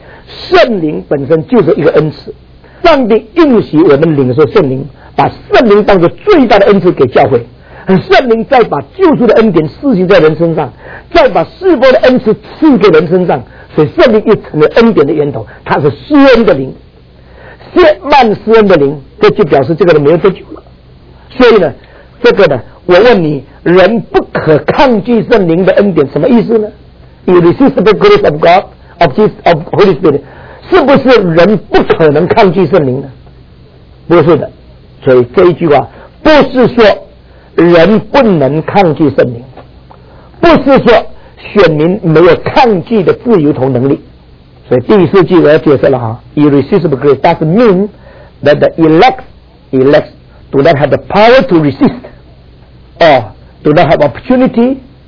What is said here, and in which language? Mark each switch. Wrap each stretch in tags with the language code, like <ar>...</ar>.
<zh>圣灵本身就是一个恩赐，上帝应许我们领受圣灵，把圣灵当作最大的恩赐给教会，圣灵再把救赎的恩典施行在人身上，再把释放的恩赐赐给人身上，所以圣灵又成了恩典的源头，它是施恩的灵，亵慢施恩的灵，这就表示这个人没有得救了。所以呢，这个呢，我问你，人不可抗拒圣灵的恩典，什么意思呢？</zh> <en>Irresistible grace of God of Jesus of Holy Spirit，</en> <zh>是不是人不可能抗拒圣灵呢？不是的。所以这一句话不是说人不能抗拒圣灵，不是说选民没有抗拒的自由同能力。所以第四句我要解释了哈，</zh> <en>Irresistible grace does mean that the elect do not have the power to resist or do not have opportunity</en>